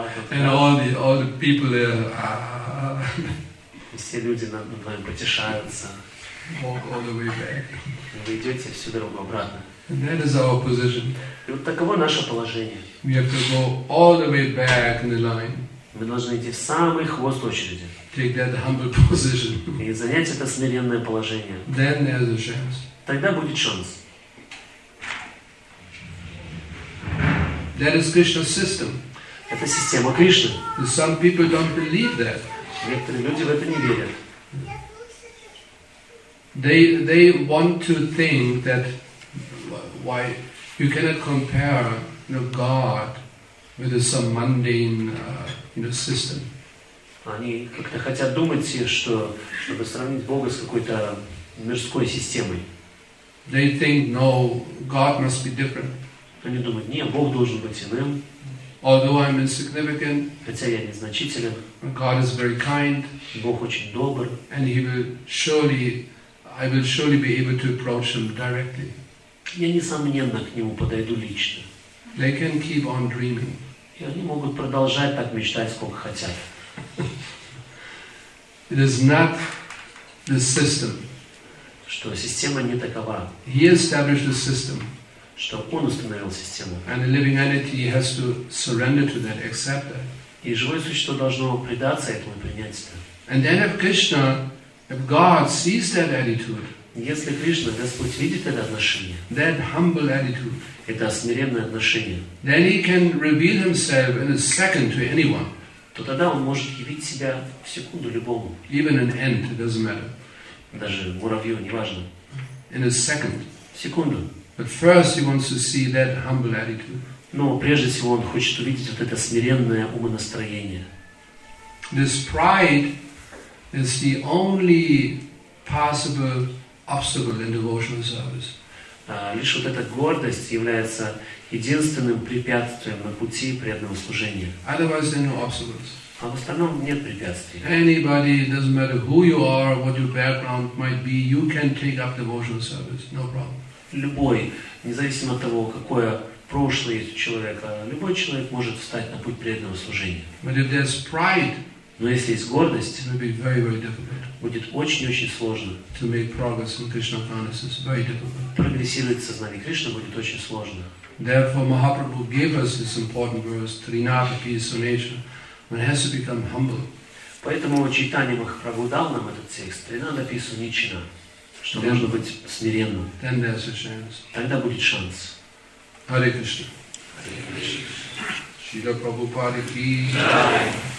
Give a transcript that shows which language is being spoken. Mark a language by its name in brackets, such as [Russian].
[English] And all the people there. [Russian] Все люди над вами потешаются. [English] Walk all the way back. [Russian] Вы идете всю дорогу обратно. [English] And that is our position. [Russian] И вот таково наше положение. [English] We have to go all the way back in the line. [Russian] Вы должны идти в самый хвост очереди. [English] Take that humble position. [Russian] И занять это смиренное положение. [English] Then there is a chance. [Russian] Тогда будет шанс. [English] That is Krishna's system. [Russian] Это система Кришны. [English] Some people don't believe that. [Russian] Некоторые люди в это не верят. [English] They want to think that why you cannot compare God with some mundane system. [Russian] Они как-то хотят думать, чтобы сравнить Бога с какой-то мирской системой. [English] They think no, God must be different. [Russian] Они думают, нет, Бог должен быть иным. [English] Although I'm insignificant, [Russian] хотя я незначителен. [English] God is very kind, [Russian] Бог очень добр. [English] And he will surely, I will surely be able to approach him directly. [Russian] Я несомненно к нему подойду лично. [English] They can keep on dreaming. [Russian] И они могут продолжать так мечтать, сколько хотят. [English] It is not the system. [Russian] Что система не такова. [English] He established the system. [Russian] Что он установил систему. [English] And a living entity has to surrender to that, accept that. [Russian] И живое существо должно предаться этому и принять это. [English] And then if Krishna, if God sees that attitude, [Russian] если Кришна, Господь видит это отношение, [English] that humble attitude, [Russian] это смиренное отношение, [English] then he can reveal himself in a second to anyone. [Russian] То тогда он может явить себя в секунду любому. [English] Even an ant, it doesn't matter. [Russian] Даже муравью, неважно. [English] In a second. [Russian] В секунду. [English] But first he wants to see that humble attitude. [Russian] Но прежде всего он хочет увидеть вот это смиренное умонастроение. [English] This pride is the only possible obstacle in devotional service. [Russian] Лишь вот эта гордость является единственным препятствием на пути преданного служения. [English] Otherwise there are no obstacles. [Russian] А в остальном нет препятствий. [English] Anybody, it doesn't matter who you are, what your background might be, you can take up devotional service, no problem. [Russian] Любой, независимо от того, какое прошлое есть у человека, любой человек может встать на путь преданного служения. [English] But if there's pride, [Russian] но если есть гордость, [English] it will be very, very difficult. [Russian] Будет очень-очень сложно. [English] To make progress in Krishna consciousness, very difficult. [Russian] Прогрессировать в сознании Кришны будет очень сложно. [English] Therefore, Mahaprabhu gave us this important verse, Trinathapi Sunesha. One has to become humble. [Russian] Поэтому Чайтанья Махапрабху дал нам этот текст, Тринадапи Сунечина. Что [English] then, [Russian] можно быть смиренным. [English] Then there's a chance. [Russian] Тогда будет шанс. [Sanskrit] Hare Krishna. [Russian] Шрила Прабхупада ки джай.